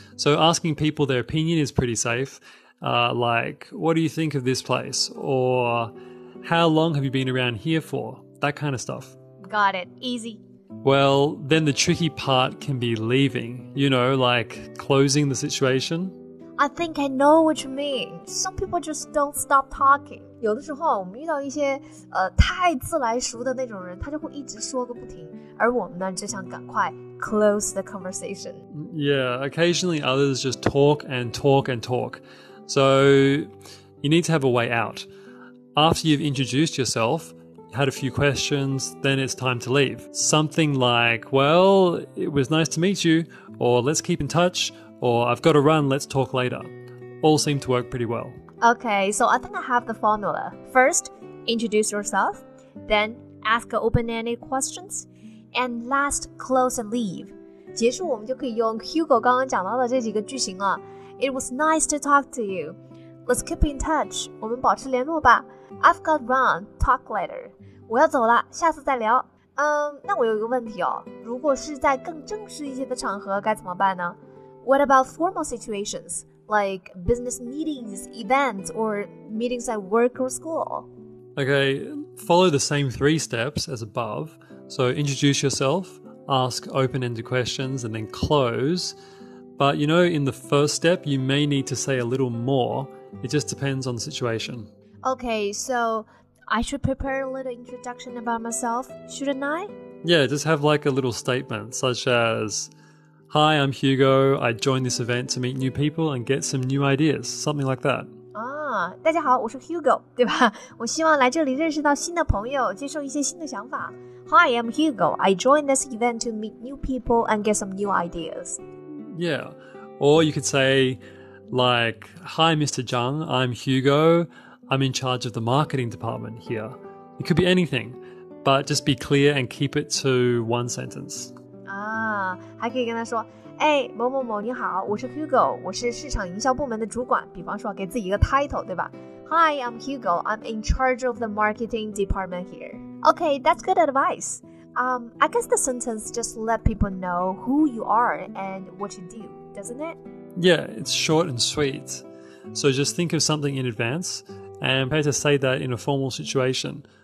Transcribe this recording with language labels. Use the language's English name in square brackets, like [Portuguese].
[English] So asking people their opinion is pretty safe, like, what do you think of this place? Or... How long have you been around here for? That kind of stuff. Got it. Easy. Well, then the tricky part can be leaving. You know, like closing the situation. I think I know what you mean. Some people just don't stop talking. [Chinese] 有的时候我们遇到一些太自来熟的那种人他就会一直说个不停而我们呢就想赶快 [English] close the conversation. Yeah, occasionally others just talk and talk and talk. So you need to have a way out. After you've introduced yourself, had a few questions, then it's time to leave. Something like, well, it was nice to meet you, or let's keep in touch, or I've got to run, let's talk later. All seem to work pretty well. Okay, so I think I have the formula. First, introduce yourself, then ask open-ended questions, and last, close and leave. [Chinese] 结束我们就可以用 Hugo 刚刚讲到的这几个句型了。 [English] It was nice to talk to you. Let's keep in touch. [Chinese] 我们保持联络吧。 [English] I've got run. Talk later. [Chinese] 我要走了，下次再聊。那我有一个问题哦。如果是在更正式一些的场合，该怎么办呢？ [English] What about formal situations, like business meetings, events, or meetings at work or school? Okay, follow the same three steps as above. So introduce yourself, ask open-ended questions, and then close. But you know, in the first step, you may need to say a little more. It just depends on the situation. Okay, so I should prepare a little introduction about myself, shouldn't I? Yeah, just have like a little statement, such as, Hi, I'm Hugo. I joined this event to meet new people and get some new ideas. Something like that. [Chinese] 大家好，我是 Hugo, 对吧？我希望来这里认识到新的朋友，接受一些新的想法。 [English] Hi, I'm Hugo. I joined this event to meet new people and get some new ideas. Yeah, or you could say... Like, hi, Mr. Zhang, I'm Hugo. I'm in charge of the marketing department here. It could be anything, but just be clear and keep it to one sentence. [Chinese] 还可以跟他说，哎，某某某，你好，我是 Hugo, 我是市场营销部门的主管。比方说，给自己一个 title, 对吧？ [English] Hi, I'm Hugo, I'm in charge of the marketing department here. Okay, that's good advice. I guess the sentence just let people know who you are and what you do, doesn't it? Yeah, it's short and sweet. So just think of something in advance and pay to say that in a formal situation.